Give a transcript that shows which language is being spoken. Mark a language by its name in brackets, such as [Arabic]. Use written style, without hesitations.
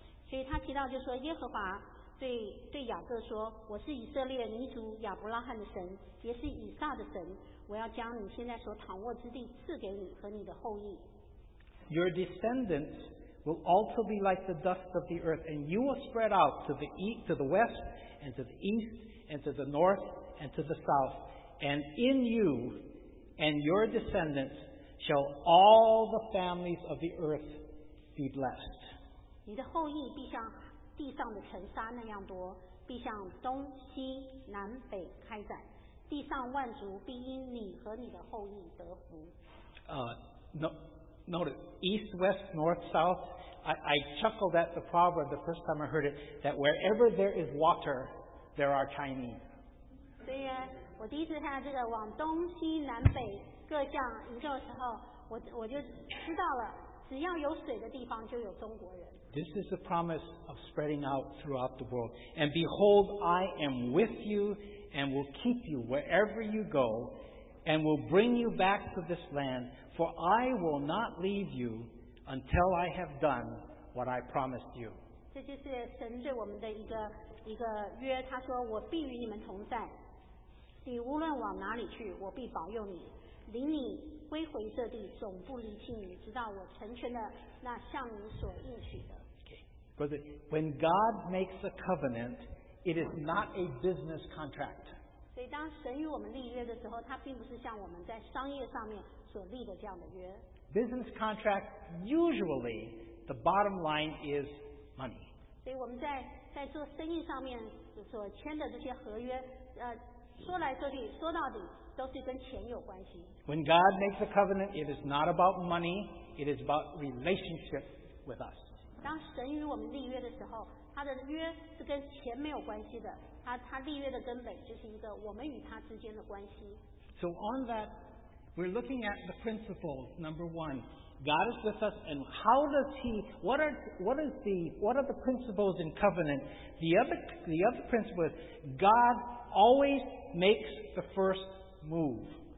[Chinese] 所以他提到就说，耶和华对雅各说，我是以色列民族亚伯拉罕的神，也是以撒的神，我要将你现在所躺卧之地赐给你和你的后裔。 [English] Your descendants will also be like the dust of the earth, and you will spread out to the east, to the west, and to the east, and to the north, and to the south. And in you and your descendants shall all the families of the earth be blessed. [Chinese] 你的后裔必像地上的尘沙那样多，必向东西南北开展，地上万族必因你和你的后裔得福。 [English] Notice east, west, north, south. I chuckled at the proverb the first time I heard it, that wherever there is water, there are Chinese. [Chinese] 所以我第一次看到这个往东西南北各项营救的时候，我就知道了，只要有水的地方就有中国人。 [English] This is the promise of spreading out throughout the world. And behold, I am with you and will keep you wherever you go and will bring you back to this land, for I will not leave you until I have done what I promised you. [Chinese] 这就是神对我们的一个约，他说我必与你们同在，你无论往哪里去，我必保佑你，领你归回这地，总不离弃你，直到我成全了那向你所应许的。 [English] But when God makes a covenant, it is not a business contract. [Chinese] 所以当神与我们立约的时候，他并不是像我们在商业上面所立的这样的约。 [English] Business contract, usually, the bottom line is money. [Chinese] 所以我们在做生意上面所签的这些合约，说来说去，说到底，都是跟钱有关系。 [English] When God makes a covenant, it is not about money, it is about relationship with us. [Chinese] 当神与我们立约的时候，他的约是跟钱没有关系的，他立约的根本就是一个我们与他之间的关系。 [English] So on that, we're looking at the principles, number one. God is with us, and how does He? What are the principles in covenant? The other principle is God always makes the first move.